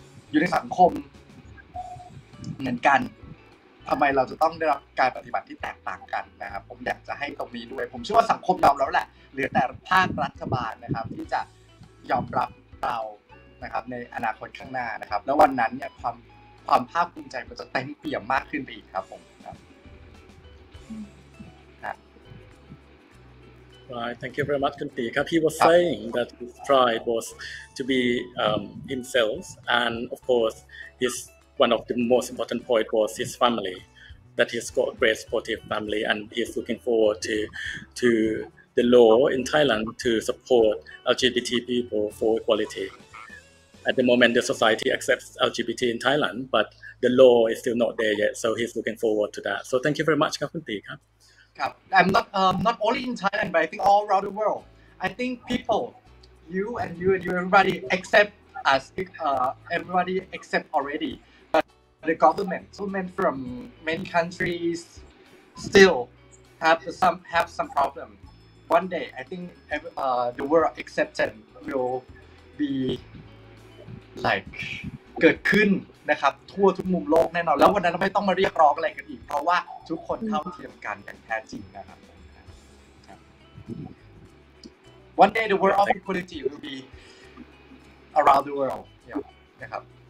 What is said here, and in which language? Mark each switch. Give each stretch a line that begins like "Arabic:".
Thai: อยู่ในสังคมเหมือนกันทำไมเราจะต้องได้รับการปฏิบัติที่แตกต่างกันนะครับผมอยากจะให้ตรงนี้ด้วยผมเชื่อว่าสังคมยอมแล้วแหละหรือแต่ภาครัฐบาลนะครับที่จะยอมรับเรานะครับในอนาคตข้างหน้านะครับแล้ววันนั้นเนี่ยความภาคภูมิใจมันจะเต็มเปี่ยมมากขึ้นไปอีกครับผมครับ
English: Right, thank you very much คุณตีครับ He was saying that his pride was to be himself and of course hisOne of the most important point was his family, that he's got a great supportive family, and he's looking forward to the law in Thailand to support LGBT people for equality. At the moment, the society accepts LGBT in Thailand, but the law is still not there yet. So he's looking forward to that. So thank you very much, Kapunti. Kap. Kap. I'm not only in Thailand, but I think all around the world. I think people, you and everybody accept us. Everybody accept already. The government from many countries still have some problem. One day, I think the world acceptance will be like
Thai: เกิดขึ้นนะครับทั่วทุกมุมโลกแน่นอนแล้ววันนั้นไม่ต้องมาเรียกร้องอะไรกันอีกเพราะว่าทุกคนเท่าเทียมกันอย่างแท้จริงนะครับ
English: One day the world of equality will be around the world นะครับ